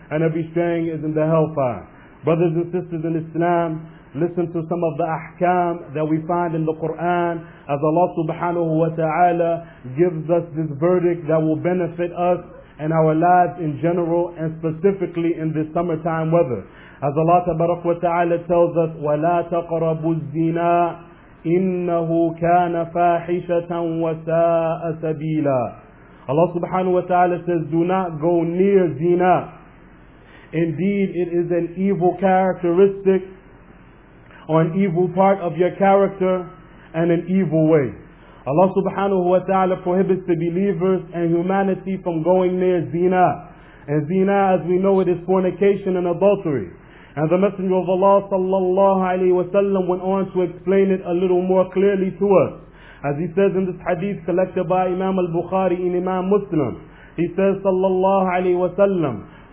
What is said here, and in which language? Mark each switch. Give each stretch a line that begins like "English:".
English: And every strain is in the hellfire. Brothers and sisters in Islam, listen to some of the ahkam that we find in the Quran as Allah subhanahu wa ta'ala gives us this verdict that will benefit us and our lives in general and specifically in this summertime weather. As Allah tabarak wa ta'ala tells us,
Arabic: وَلَا تَقْرَبُوا الزِّنَا إِنَّهُ كَانَ فَاحِشَةً وَسَاءَ سَبِيلًا.
English: Allah subhanahu wa ta'ala says, do not go near zina. Indeed, it is an evil characteristic or an evil part of your character and an evil way. Allah subhanahu wa ta'ala prohibits the believers and humanity from going near zina. And zina, as we know it, is fornication and adultery. And the Messenger of Allah sallallahu alayhi wa sallam went on to explain it a little more clearly to us. As he says in this hadith collected by Imam al-Bukhari in Imam Muslim, he says sallallahu alayhi wa sallam,